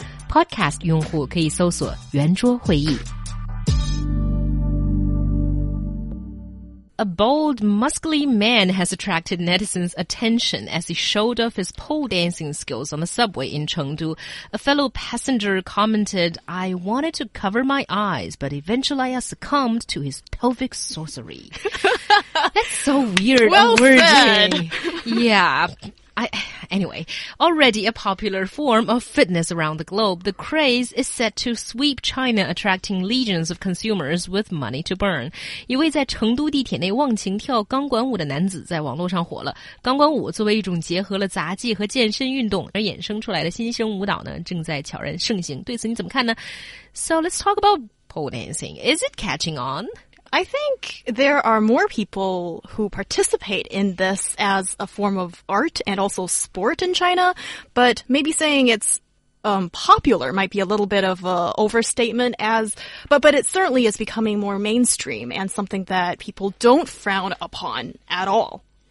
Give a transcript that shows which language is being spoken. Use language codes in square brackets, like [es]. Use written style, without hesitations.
[zh] Podcast 用户可以搜索圆桌会议。 [en] A bold, muscly man has attracted netizens' attention as he showed off his pole dancing skills on the subway in Chengdu. A fellow passenger commented, I wanted to cover my eyes, but eventually I succumbed to his pelvic sorcery. That's so weird. Well said. Yeah. Anyway, already a popular form of fitness around the globe, the craze is set to sweep China, attracting legions of consumers with money to burn. [zh] 一位在成都地铁内忘情跳钢管舞的男子在网络上火了。钢管舞作为一种结合了杂技和健身运动而衍生出来的新生舞蹈呢，正在悄然盛行。对此你怎么看呢？ [en] So let's talk about pole dancing. Is it catching on? I think there are more people who participate in this as a form of art and also sport in China, but maybe saying it's, popular might be a little bit of a overstatement but it certainly is becoming more mainstream and something that people don't frown upon at all.